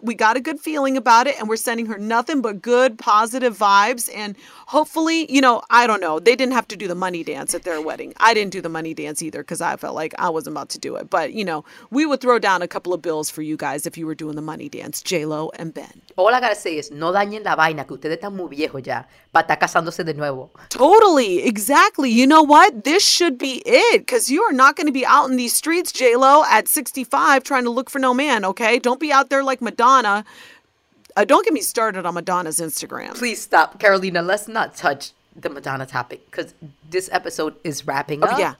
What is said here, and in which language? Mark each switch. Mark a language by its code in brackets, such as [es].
[en] We got a good feeling about it, and we're sending her nothing but good, positive vibes. And hopefully, you know, I don't know. They didn't have to do the money dance at their wedding. I didn't do the money dance either because I felt like I wasn't about to do it. But, you know, we would throw down a couple of bills for you guys if you were doing the money dance, J-Lo and Ben. [es] All I got to say is, no dañen la vaina, que ustedes están muy viejos ya, para estar casándose de nuevo. [en] Totally. Exactly. You know what? This should be it, because you are not going to be out in these streets, J-Lo, at 65 trying to look for no man, okay? Don't be out there like Madonna. Don't get me started on Madonna's Instagram. Please stop. Carolina, let's not touch the Madonna topic, because this episode is wrapping up.